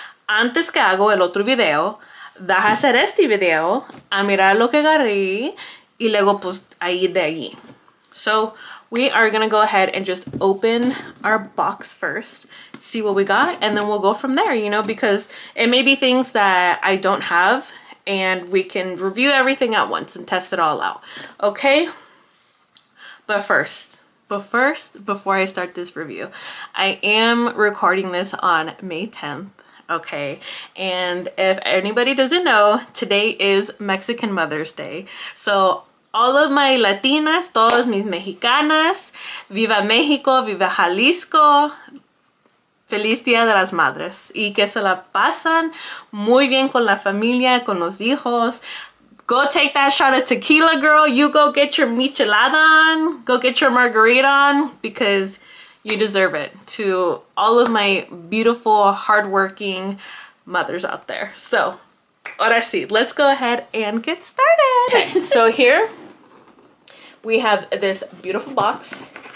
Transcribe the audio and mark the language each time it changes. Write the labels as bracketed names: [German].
[Spanish] Antes que hago el otro video, deja hacer este video, a mirar lo que agarré, y luego pues ahí de allí. [English] So we are gonna go ahead and just open our box first, see what we got, and then we'll go from there, you know, because it may be things that I don't have, and we can review everything at once and test it all out. Okay, but first. But first, before I start this review, I am recording this on May 10th, okay? And if anybody doesn't know, today is Mexican Mother's Day. So all of my Latinas, [Spanish] todas mis Mexicanas, viva México, viva Jalisco, feliz Día de las Madres. Y que se la pasan muy bien con la familia, con los hijos. [English] Go take that shot of tequila, girl. You go get your michelada on. Go get your margarita on because you deserve it, to all of my beautiful, hardworking mothers out there. So, [Spanish] ahora sí, [English] let's go ahead and get started. Okay, so here we have this beautiful box.